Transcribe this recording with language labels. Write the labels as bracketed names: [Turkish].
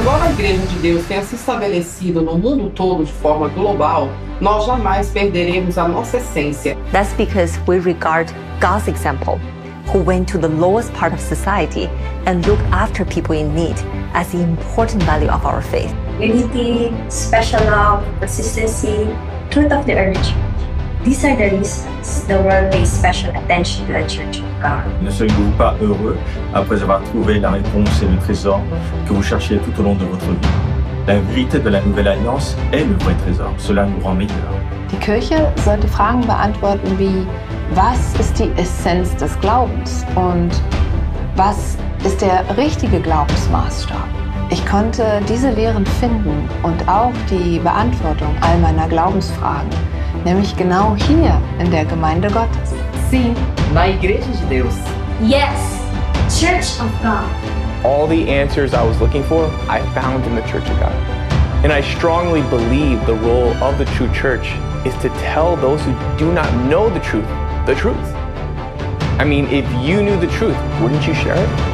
[Portuguese] igreja de Deus tenha se estabelecido no mundo todo de forma global, nós jamais perderemos a nossa essência. [English] That's because we regard God's example, who went to the lowest part of society and looked after people in need, as the important value of our faith. Unity, special love, consistency, truth of the early church. These are the reasons the world pays special attention to the Church of God. [French] Ne soyez-vous pas heureux après avoir trouvé la réponse et le trésor que vous cherchez tout au long de votre vie. La vérité de la Nouvelle Alliance est le vrai trésor. Cela nous rend meilleurs. [German] Die Kirche sollte Fragen beantworten wie: Was ist die Essenz des Glaubens? Und was ist der richtige Glaubensmaßstab? Ich konnte diese Lehren finden und auch die Beantwortung all meiner Glaubensfragen, nämlich genau hier in der Gemeinde Gottes. [Portuguese] Sim, na Igreja de Deus. [English] Yes, Church of God. All the answers I was looking for, I found in the Church of God. And I strongly believe the role of the true church is to tell those who do not know the truth, the truth. I mean, if you knew the truth, wouldn't you share it?